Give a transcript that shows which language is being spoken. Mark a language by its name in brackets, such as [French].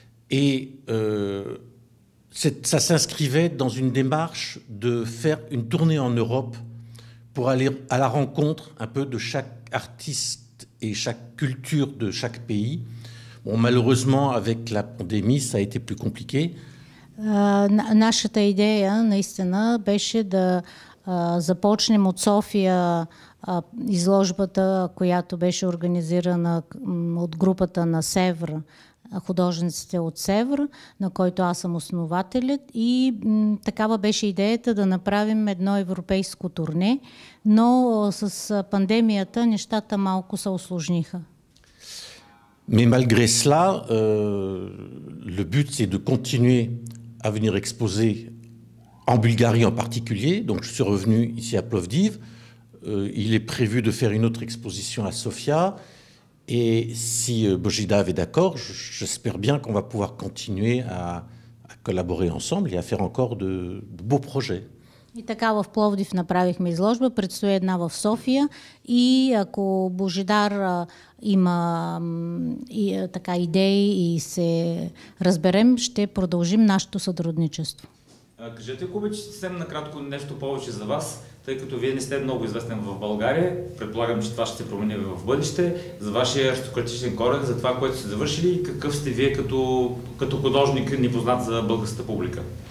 [French] Et ça s'inscrivait dans une démarche de faire une tournée en Europe pour aller à la rencontre un peu de chaque artiste et chaque culture de chaque pays. Bon, malheureusement, avec la pandémie, ça a été plus compliqué. [Bulgarian] Нашата идея, наистина, беше да започнем от София изложбата, която беше организирана от групата на Севр, художниците от Севр, на който аз съм основателят. И такава беше идеята да направим едно европейско турне, но с пандемията нещата малко се усложниха. [French] Mais malgré cela, le but, c'est de continuer à venir exposer en Bulgarie en particulier. Donc je suis revenu ici à Plovdiv. Il est prévu de faire une autre exposition à Sofia. Et si Bojidav est d'accord, j'espère bien qu'on va pouvoir continuer à collaborer ensemble et à faire encore de beaux projets. [Bulgarian] И така в Пловдив направихме изложба, предстои една в София и ако Божидар има така идеи и се разберем, ще продължим нашето сътрудничество. Кажете, ако обичате, съвсем накратко нещо повече за вас, тъй като вие не сте много известен в България, предполагам, че това ще се промени в бъдеще, за вашия аристократичен корен, за това, което сте завършили и какъв сте вие като художник, непознат за българската публика.